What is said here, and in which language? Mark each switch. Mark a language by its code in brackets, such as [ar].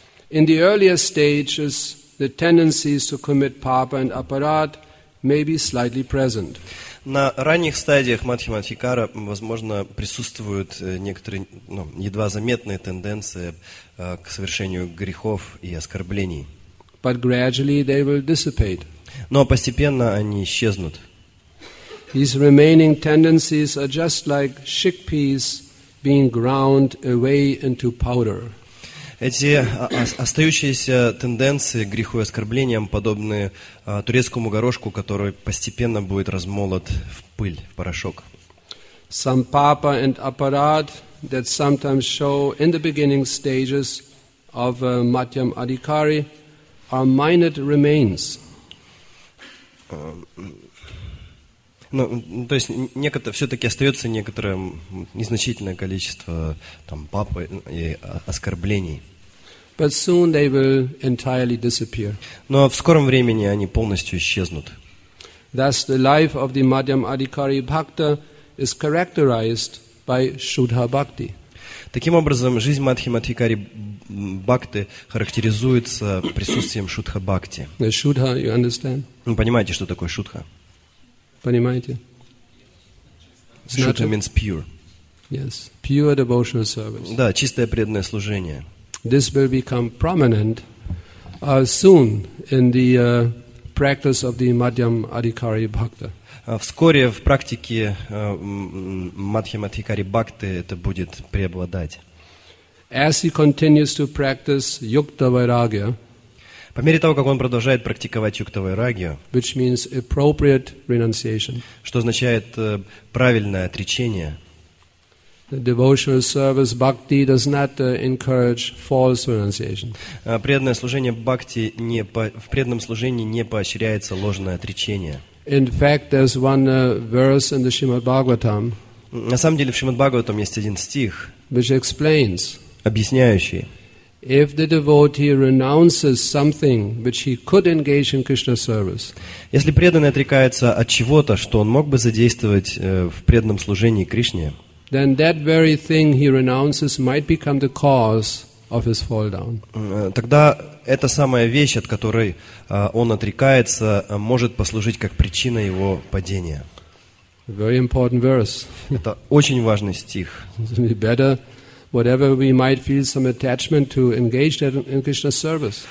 [en] In the earlier stages, the tendencies to commit papa and apparat may be slightly present. [ru] На ранних стадиях Матхьяма Адхикара, возможно, присутствуют некоторые едва заметные тенденции к совершению грехов и оскорблений. [en] But gradually they will dissipate. [ru] Но постепенно они исчезнут. [en] These remaining tendencies are just like chickpeas being ground away into powder. [ru] Эти остающиеся тенденции к греху и оскорблениям подобны турецкому горошку, который постепенно будет размолот в пыль, в порошок. [en] Some papa and apparat that sometimes show in the beginning stages of Matyam Adhikari are minute remains. [ru] То есть все-таки остается некоторое незначительное количество папы и оскорблений. [en] But soon they will entirely disappear. [ru] Но в скором времени они полностью исчезнут. [en] Thus the life of the Madhyam Adhikari Bhakta is characterized by Shuddha Bhakti. [ru] Таким образом, жизнь Мадхьяма Адхикари Бхакты характеризуется присутствием Шуддха Бхакти. [en] The Shuddha, you understand? [ru] Вы понимаете, что такое Шуддха? Понимаете? [en] Shuddha means pure. Yes, pure devotional service. [ru] Да, чистое преданное служение. [en] This will become prominent soon in the practice of the Madhyam Adhikari Bhakta. [ru] Вскоре в практике Мадхьяма Адхикари Бхакты это будет преобладать. [en] As he continues to practice Yukta Vairagya, [ru] по мере того, как он продолжает практиковать Юкта Вайрагья, [en] which means appropriate renunciation, [ru] что означает правильное отречение, [en] devotional service bhakti does not encourage false renunciation. [ru] Преданное служение бхакти в преданном служении не поощряется ложное отречение. [en] In fact, there's one verse in the Shrimad Bhagavatam. [ru] На самом деле в Шримад Бхагаватам есть один стих, [en] which explains, [ru] объясняющий, [en] if the devotee renounces something which he could engage in Krishna service. [ru] Если преданный отрекается от чего-то, что он мог бы задействовать в преданном служении Кришне, [en] then that very thing he renounces might become the cause of his fall down. [ru] Тогда эта самая вещь, от которой он отрекается, может послужить как причина его падения. [en] Very important verse. [ru] Это очень важный стих. [en] Better, whatever we might feel some attachment to, engage that in Krishna service.